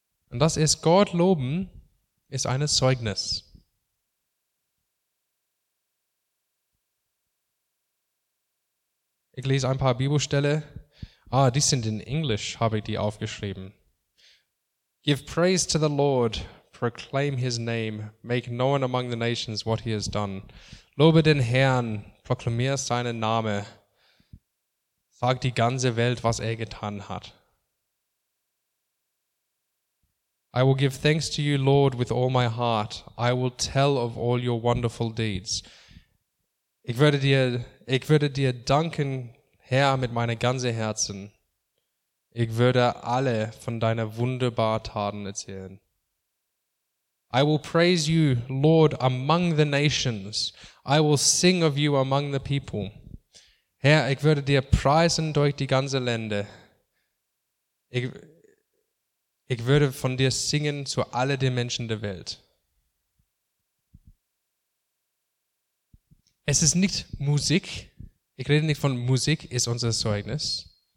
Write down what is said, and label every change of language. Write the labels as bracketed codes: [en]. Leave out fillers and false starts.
[de] Und das ist, Gott loben ist ein Zeugnis. Ich lese ein paar Bibelstelle. Ah, die sind in Englisch, habe ich die aufgeschrieben. [en] Give praise to the Lord, proclaim his name, make known among the nations what he has done. [de] Lobe den Herrn, proklamiere seinen Name, sag die ganze Welt, was er getan hat. [en] I will give thanks to you, Lord, with all my heart. I will tell of all your wonderful deeds. [de] Ich würde dir danken, Herr, mit meinem ganzen Herzen. Ich würde alle von deiner wunderbaren Taten erzählen. [en] I will praise you, Lord, among the nations. I will sing of you among the people. [de] Herr, ich würde dir preisen durch die ganze Länder. Ich würde von dir singen zu alle den Menschen der Welt. Es ist nicht Musik. Ich rede nicht von Musik, ist unser Zeugnis.